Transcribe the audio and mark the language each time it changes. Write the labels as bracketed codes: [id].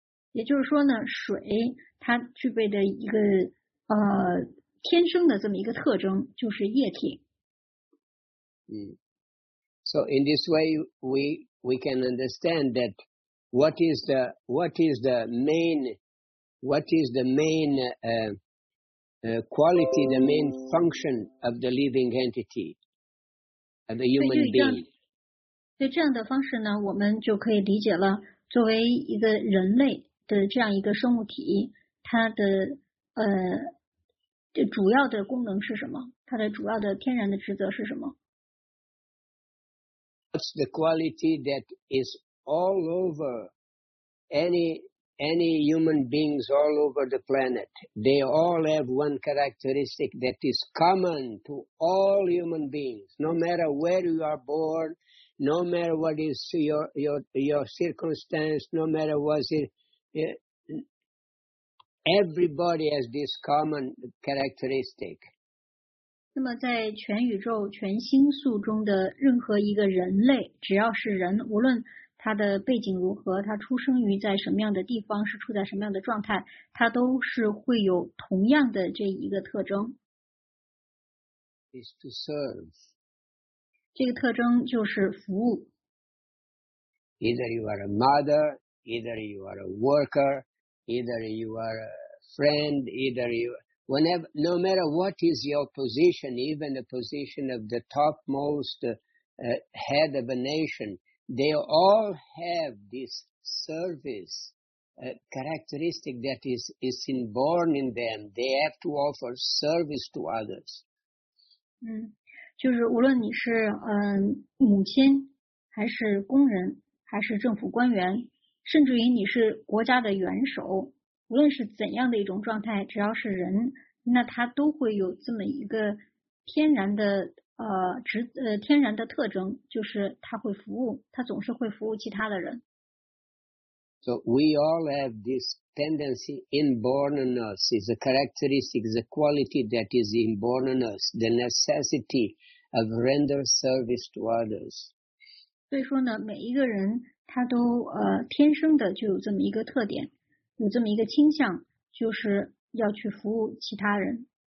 [zh] 也就是说呢，水它具备的一个天生的这么一个特征就是液体。 [en] So in this way, we can understand that what is the main quality, the main function of the living entity, of the human being. [zh] 所以这样的方式呢，我们就可以理解了，作为一个人类的这样一个生物体，它的主要的功能是什么？它的主要的天然的职责是什么 [en] ？What's the quality that is all over any human beings all over the planet? They all have one characteristic that is common to all human beings, no matter where you are born. No matter what is your circumstance, no matter what is everybody has this common characteristic. [zh] 那么在全宇宙全星宿中的任何一个人类，只要是人，无论他的背景如何，他出生于在什么样的地方，是处在什么样的状态，他都是会有同样的这一个特征。 [en] Is to serve. [zh] 这个特征就是服务。 [en] Either you are a mother, either you are a worker, either you are a friend, either you, whenever, no matter what is your position, even the position of the topmost head of a nation, they all have this service characteristic that is inborn in them. They have to offer service to others. [zh] 就是无论你是母亲，还是工人，还是政府官员，甚至于你是国家的元首，无论是怎样的一种状态，只要是人，那他都会有这么一个天然的天然的特征，就是他会服务，他总是会服务其他的人。 [en] So we all have this tendency inborn in us. It's a characteristic, it's a quality that is inborn in us, the necessity of render service to others. [zh] 所以说呢，每一个人他都天生的就有这么一个特点，有这么一个倾向，就是要去服务其他人。